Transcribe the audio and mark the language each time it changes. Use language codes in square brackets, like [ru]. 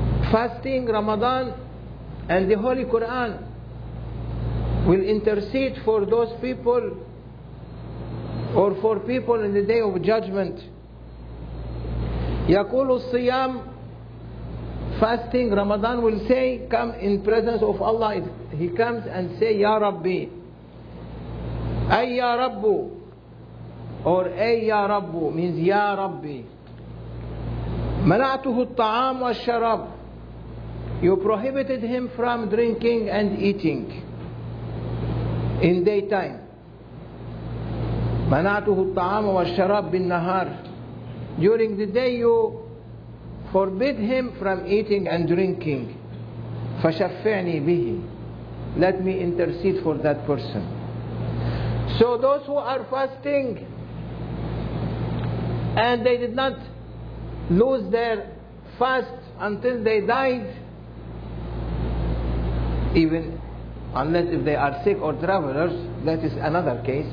[en] Fasting, Ramadan, and the Holy Quran will intercede for those people, or for people in the Day of Judgment. [ar] يقول الصيام, [en] fasting, Ramadan will say, come in presence of Allah. He comes and say, [ar] يا ربي, أي يا ربو, or أي يا ربو means يا ربي. منعته الطعام والشراب. [en] You prohibited him from drinking and eating in daytime. [ar] منعته الطعام والشراب بالنهار. [en] During the day you forbid him from eating and drinking. [ar] فشفعني به. [en] Let me intercede for that person. So those who are fasting and they did not lose their fast until they died, even unless if they are sick or travelers, that is another case.